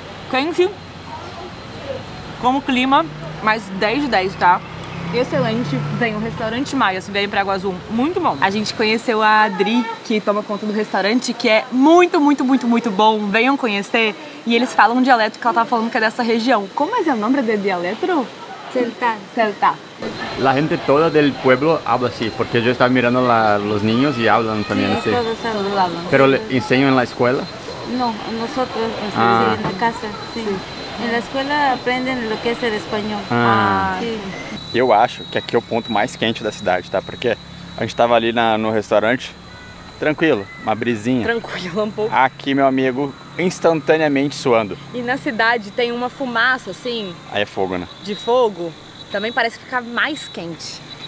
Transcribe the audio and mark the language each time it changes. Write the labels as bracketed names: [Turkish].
[Portuguese] Quente. Com o clima, mas 10 de 10, tá? Excelente. Vem o restaurante Maia, se vier pra Água Azul. Muito bom. A gente conheceu a Adri, que toma conta do restaurante, que é muito, muito, muito, muito bom. Venham conhecer. E eles falam um dialeto que ela tava falando que é dessa região. Como é o nome do dialeto? Celta. Celta. [Spanish] La gente toda del pueblo habla así, porque yo estaba mirando a los niños y hablan también sí, Todos hablan. ¿Pero le enseño en la escuela? No, nosotros, ah. Sí, en la casa, sí. Sí. En la escuela aprenden lo que es el español. Ah. Ah. Sí. [Portuguese] Eu acho que aqui é o ponto mais quente da cidade, tá? Porque a gente estava ali no restaurante, tranquilo, uma brisinha. Tranquilo, um pouco. Aqui, meu amigo, instantaneamente suando. E na cidade tem uma fumaça, assim... Aí é fogo, né? De fogo. Também parece ficar mais quente.